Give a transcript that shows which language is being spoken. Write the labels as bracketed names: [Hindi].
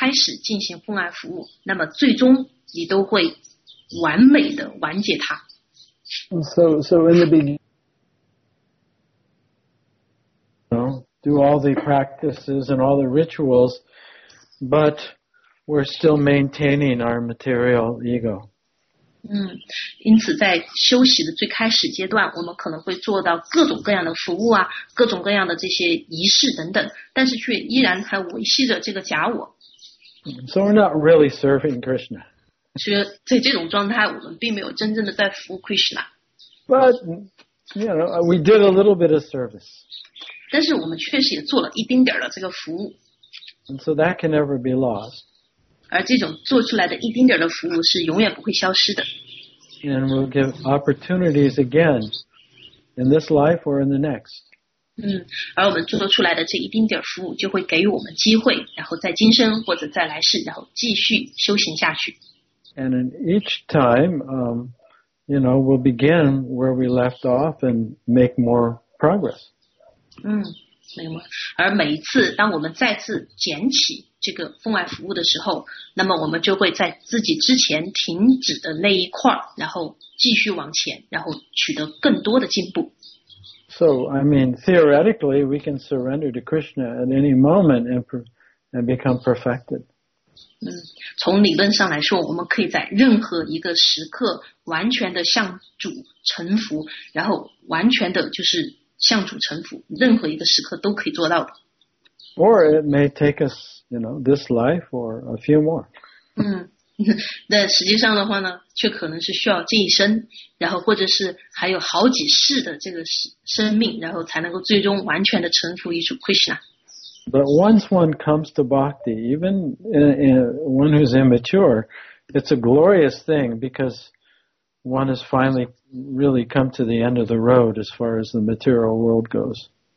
[Chinese] 而修习奉爱瑜伽，而修习做奉爱服务的大美之处，就在于一旦你开始进行奉爱服务，那么最终 [English] So in the beginning, you know, do all the practices and all the rituals, but we're still maintaining our material ego. [Chinese] 因此在休息的最开始阶段，我们可能会做到各种各样的服务啊，各种各样的这些仪式等等，但是却依然还维系着这个假我。 [English] So we're not really serving Krishna. [Chinese] 所以在这种状态，我们并没有真正的在服务 Krishna。 [English] But, you know, we did a little bit of service. [Chinese] 但是我们确实也做了一丁点的这个服务。 [English] And so that can never be lost. [Chinese] 而这种做出来的一丁点的服务是永远不会消失的。 [English] And we'll give opportunities again in this life or in the next. [Chinese] 而我们做出来的这一丁点服务就会给予我们机会，然后在今生或者在来世，然后继续修行下去。 [English] And in each time, you know, we'll begin where we left off and make more progress. [Chinese] 没有吗？而每一次当我们再次捡起这个奉爱服务的时候，那么我们就会在自己之前停止的那一块，然后继续往前，然后取得更多的进步。 [English] So, I mean, theoretically, we can surrender to Krishna at any moment and become perfected. [Chinese] 从理论上来说，我们可以在任何一个时刻完全的向主臣服，然后完全的就是向主臣服，任何一个时刻都可以做到的。 [English] Or it may take us, you know, this life or a few more. [Chinese] 但实际上的话呢，却可能是需要这一生，然后或者是还有好几世的这个生命，然后才能够最终完全的臣服于主 Krishna。 [English] But once one comes to bhakti, even one who's immature, it's a glorious thing because one has finally really come to the end of the road as far as the material world goes.